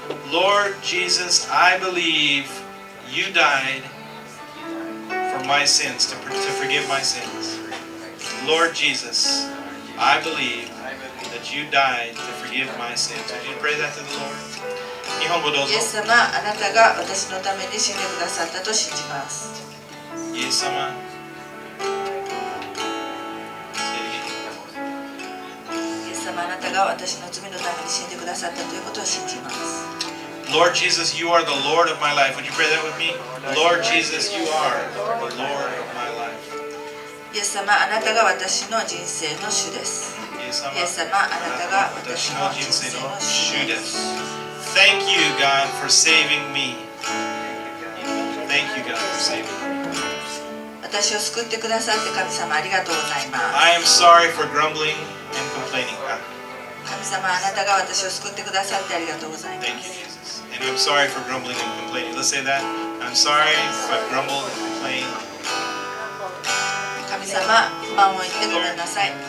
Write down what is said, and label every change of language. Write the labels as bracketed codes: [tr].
[en] Lord Jesus, I believe you died for my sins, to forgive my sins. Lord Jesus, I believe that you died to forgive my sins. Would you pray that to the Lord? [ja] 日本語どうぞ。イエス様、あなたが私のために死んでくださったと信じます。イエス様。あなたが私の罪のために死んでくださったということを信じます。 [en] Lord Jesus, you are the Lord of my life. Would you pray that with me? Lord Jesus, you are the Lord of my life. [ja] イエス様、あなたが私の人生の主です。イエス様、あなたが私の人生の主です。 [en] Thank you, God, for saving me. Thank you, God, for saving me. [ja] 私を救ってくださって神様ありがとうございます。 [en] I am sorry for grumbling and complaining, God. [ja] 神様あなたが私を救ってくださってありがとうございます。 [en] Thank you, Jesus. And I'm sorry for grumbling and complaining. Let's say that. I'm sorry if I grumble and complain. [ja] 神様、不満を言ってごめんなさい。